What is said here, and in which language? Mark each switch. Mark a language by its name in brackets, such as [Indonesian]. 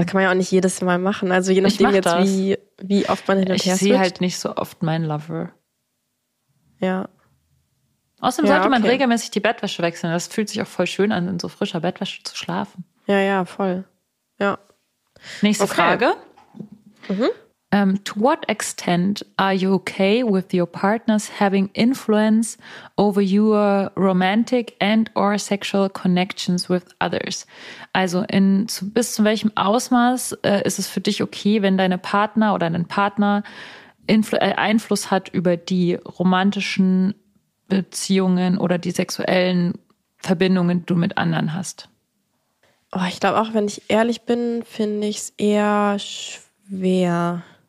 [German] Aber kann man ja auch nicht jedes Mal machen. Also je nachdem jetzt, wie oft man hin und her switcht. Ich sehe halt nicht so oft meinen Lover. Ja. Außerdem sollte man regelmäßig die Bettwäsche wechseln. Das fühlt sich auch voll schön an, in so frischer Bettwäsche zu schlafen. Ja, ja, voll. Ja. Nächste Frage. Mhm. [English] To what extent are you okay with your partners having influence over your romantic and or sexual connections with others? [German] Also bis zu welchem Ausmaß ist es für dich okay, wenn deine Partner oder dein Partner Einfluss hat über die romantischen Beziehungen oder die sexuellen Verbindungen, die du mit anderen hast? Oh, ich glaube auch, wenn ich ehrlich bin, finde ich es eher schwer.